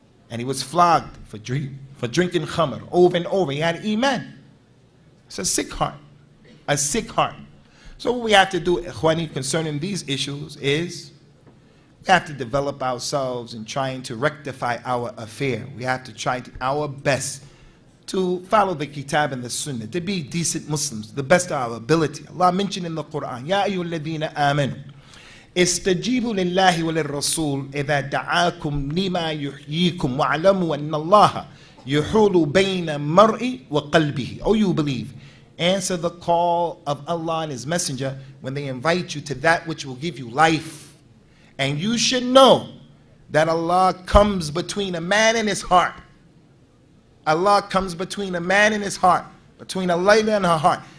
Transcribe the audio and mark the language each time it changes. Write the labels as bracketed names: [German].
[English] And he was flogged for drinking khamr over and over. He had iman. It's a sick heart. A sick heart. So what we have to do, ikhwani, concerning these issues is we have to develop ourselves in trying to rectify our affair. We have to try our best to follow the kitab and the sunnah, to be decent Muslims, the best of our ability. Allah mentioned in the Quran, [Arabic] Ya ayyuhalladhina amanu استجيبوا لله وللرسول إذا دعاكم لما يحييكم واعلموا أن الله يحول بين المرء وقلبه. [English] Oh, you believe. Answer the call of Allah and His Messenger when they invite you to that which will give you life. And you should know that Allah comes between a man and his heart. Allah comes between a man and his heart, between a layla and her heart.